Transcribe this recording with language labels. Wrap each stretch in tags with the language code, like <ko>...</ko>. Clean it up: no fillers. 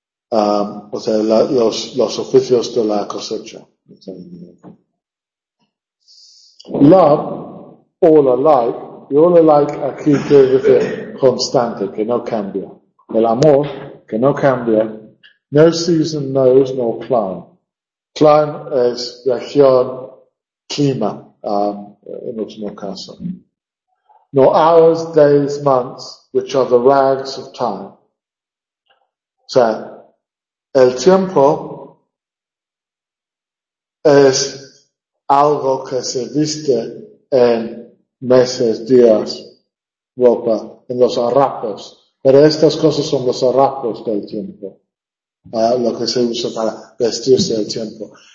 <es>O sea, los oficios de la cosecha.</es> <en>Love, all alike,</en> <es>y all alike aquí quiere decir constante, que no cambia. El amor, que no cambia.</es> <en>No season knows nor climb.</en> <es>Climb es región, clima, en último caso.</es> <en>Nor hours, days, months, which are the rags of time.</en> <es>O sea, el tiempo es algo que se viste en meses, días, ropa, en los harapos. Pero estas cosas son los harapos del tiempo, lo que se usa para vestirse del tiempo.</es>